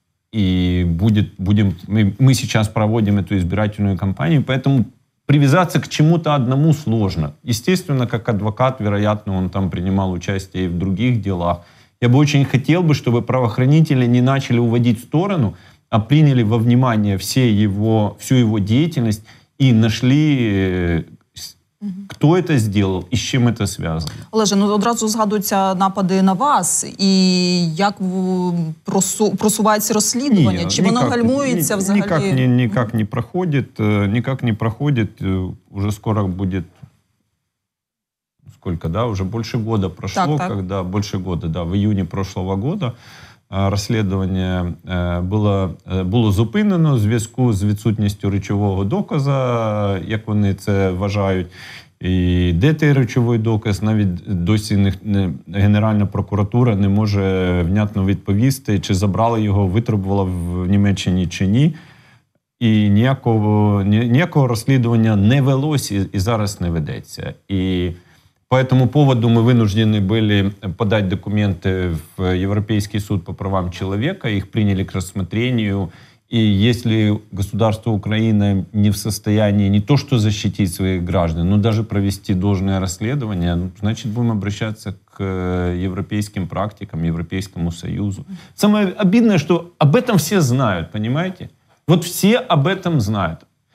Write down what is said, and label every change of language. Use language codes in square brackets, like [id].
[ru] И мы сейчас проводим эту избирательную кампанию, поэтому привязаться к чему-то одному сложно. Естественно, как адвокат, вероятно, он там принимал участие и в других делах. Я бы очень хотел бы, чтобы правоохранители не начали уводить в сторону, а приняли во внимание всю его деятельность и нашли... [uk] Хто це зробив і з чим це зв'язано? Олеже, ну одразу згадуються напади на вас. І як просувається розслідування? Ні, чи воно гальмується взагалі? Ніяк не проходить. Уже скоро буде... Скільки, да? Уже більше року пройшло. Так, так. Більше року, да. В іюні минулого року розслідування було зупинено в зв'язку з відсутністю речового доказу, як вони це вважають. І де той речовий доказ, навіть досі Генеральна прокуратура не може внятно відповісти, чи забрали його, витребувала в Німеччині чи ні. І ніякого розслідування не велось і зараз не ведеться. І по цьому поводу ми винуждені були подати документи в Європейський суд по правам чоловіка, їх прийняли к розсмотренню. [ru] И если государство Украины не в состоянии не то что защитить своих граждан, но даже провести должное расследование, значит, будем обращаться к европейским практикам, Европейскому Союзу. Самое обидное, что об этом все знают, понимаете? Вот все об этом знают.